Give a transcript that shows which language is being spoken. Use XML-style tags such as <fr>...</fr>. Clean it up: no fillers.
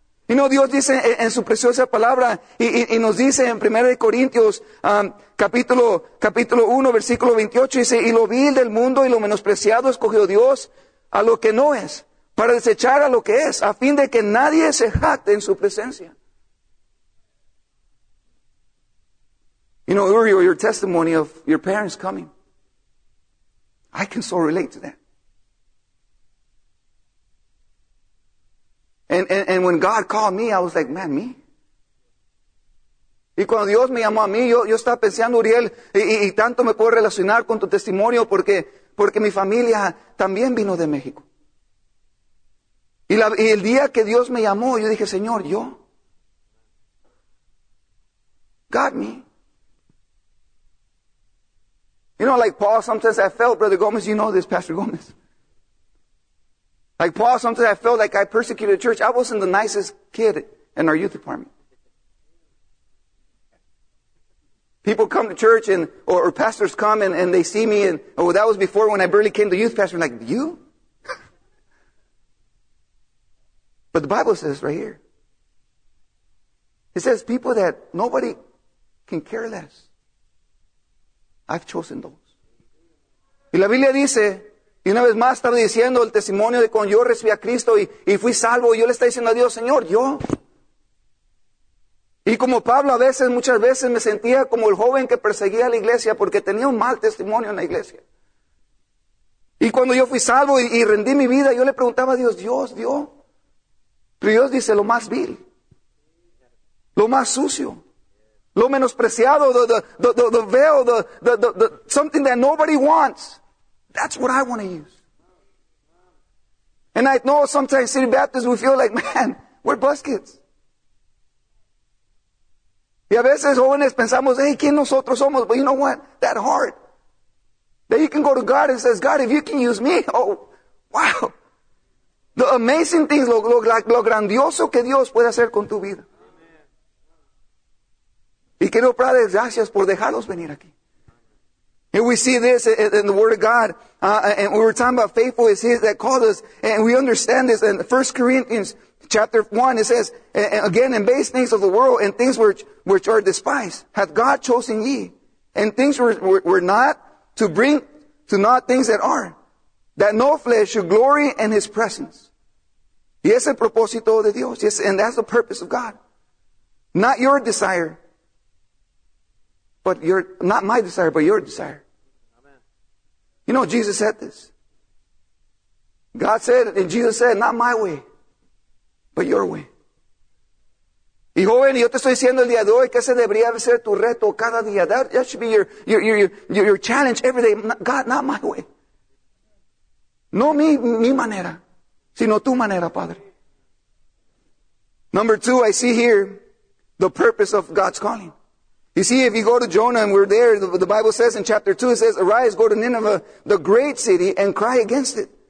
<en>You know,</en> <es>Dios dice en su preciosa palabra, y nos dice en 1 Corintios, capítulo 1, versículo 28, dice, y lo vil del mundo y lo menospreciado escogió Dios, a lo que no es, para desechar a lo que es, a fin de que nadie se jacte en su presencia.</es> <en>You know, Uriel, your testimony of your parents coming. I can so relate to that. And when God called me, I was like, man, me?</en> <es>Y cuando Dios me llamó a mí, yo estaba pensando, Uriel, y tanto me puedo relacionar con tu testimonio porque mi familia también vino de México. Y el día que Dios me llamó, yo dije, Señor, yo.</es> <en>God, me. You know, like Paul, sometimes I felt, Brother Gomez, you know this, Pastor Gomez. Like Paul, sometimes I felt like I persecuted the church. I wasn't the nicest kid in our youth department. People come to church or pastors come and they see me and, oh, that was before when I barely came to youth pastor. I'm like, you? But the Bible says right here. It says people that nobody can care less. I've chosen those.</en> <es>Y la Biblia dice, y una vez más estaba diciendo el testimonio de cuando yo recibí a Cristo y fui salvo. Y yo le estaba diciendo a Dios, Señor, yo. Y como Pablo, a veces, muchas veces me sentía como el joven que perseguía a la iglesia porque tenía un mal testimonio en la iglesia. Y cuando yo fui salvo y rendí mi vida, yo le preguntaba a Dios, Dios dio. Pero Dios dice, lo más vil, lo más sucio, lo menospreciado,</es> <en>the veil, something that nobody wants. That's what I want to use. And I know sometimes City Baptists, we feel like, man, we're buskets.</en> <es>Y a veces jóvenes pensamos, hey, ¿quién nosotros somos?</es> <en>But you know what? That heart. That you can go to God and says, God, if you can use me, oh, wow. The amazing things,</en> <es>lo grandioso que Dios puede hacer con tu vida. Y quiero darles gracias por dejarlos venir aquí.</es> <en>And we see this in the Word of God. And we were talking about faithful is He that called us. And we understand this in 1 Corinthians chapter 1. It says, again, in base things of the world and things which are despised, hath God chosen ye. And things were not to bring to naught things that are, that no flesh should glory in His presence.</en> <es>Y es el propósito de Dios.</es> <en>Yes, and that's the purpose of God. Not your desire. But your, not my desire, but your desire. Amen. You know, Jesus said this. God said, and Jesus said, not my way, but your way.</en> <es>Y joven, yo te estoy diciendo el día de hoy que ese debería ser tu reto cada día.</es> <en>That should be your challenge every day. God, not my way.</en> <es>No mi manera, sino tu manera, Padre.</es> <en>Number two, I see here the purpose of God's calling. You see, if you go to Jonah and we're there, the Bible says in chapter 2, it says, arise, go to Nineveh, the great city, and cry against it.</en>